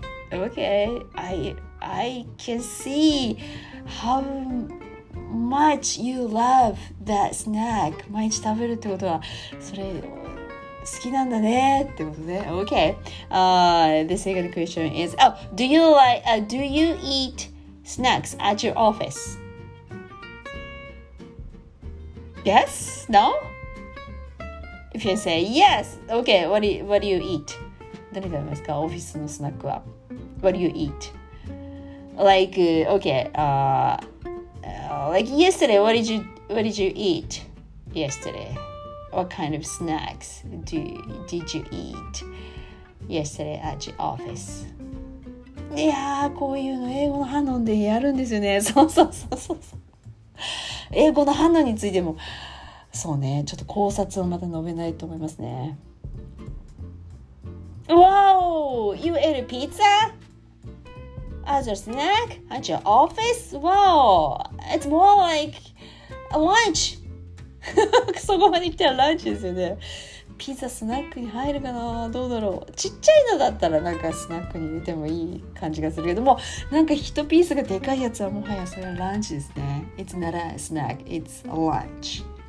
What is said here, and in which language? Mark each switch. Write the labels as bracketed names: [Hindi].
[English] Okay, I can see how much you love that snack. [Japanese] 毎日食べるってことは、それ好きなんだねってことね。 [English] Okay、the second question is、oh, do you like、do you eat snacks at your office? Yes? No? If you say yes, okay, what do you eat? [Japanese] 何食べますか、オフィスのスナックは。 [English] What do you eat? Like, okay、like yesterday, what did you eat yesterday? What kind of snacks did you eat yesterday at your office? [Japanese] いやー、こういうの英語の反応でやるんですよね。そうそうそうそう。英語の反応についても、そうね、ちょっと考察をまた述べないと思いますね。 [English] Wow! You ate a pizza as a snack at your office? Wow! It's more like a lunch! [Japanese] そこまで行ったらランチですよね。ピザスナックに入るかな、どうだろう。ちっちゃいのだったらなんかスナックに入れてもいい感じがするけども、なんか一ピースがでかいやつはもはやそれはランチですね。 [English] It's not a snack, it's a lunch.